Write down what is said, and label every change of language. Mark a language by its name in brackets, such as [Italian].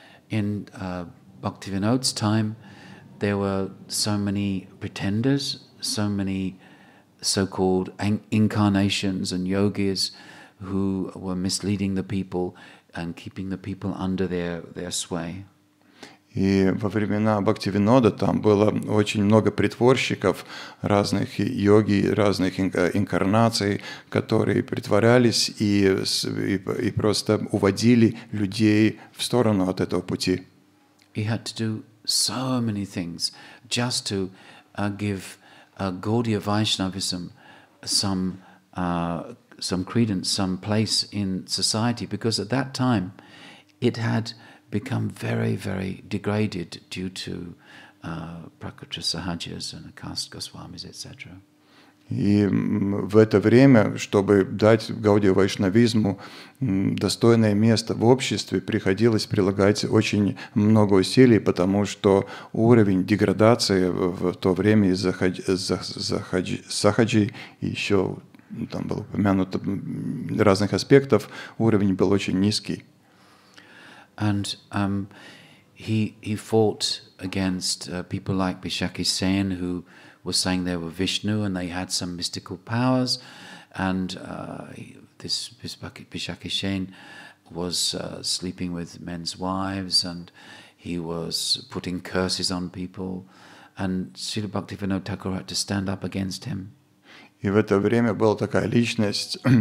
[English] In Bhaktivinoda's time, there were so many pretenders, so many so-called incarnations and yogis who were misleading the people and keeping the people under their sway. [Russian] И во времена Бхактивинода там было очень много притворщиков, разных йоги, разных инкарнаций, которые притворялись и просто уводили людей в сторону от этого пути. [English] He had to do so many things just to give Gaudiya Vaishnavism some credence, some place in society, because at that time it had become very, very degraded due to Prakriti Sahajas and caste Goswamis, etc. [Russian] И в это время, чтобы дать Гаудия Вайшнавизму достойное место в обществе, приходилось прилагать очень много усилий, потому что уровень деградации в то время Сахаджи еще там было упомянуто разных аспектов, уровень был очень низкий. [English] And he fought against people like Bishaki Sen, who was saying they were Vishnu and they had some mystical powers. And this Bishaki Sen was sleeping with men's wives and he was putting curses on people. And Srila Bhaktivinoda Thakur had to stand up against him. [Russian] И в это время была такая личность...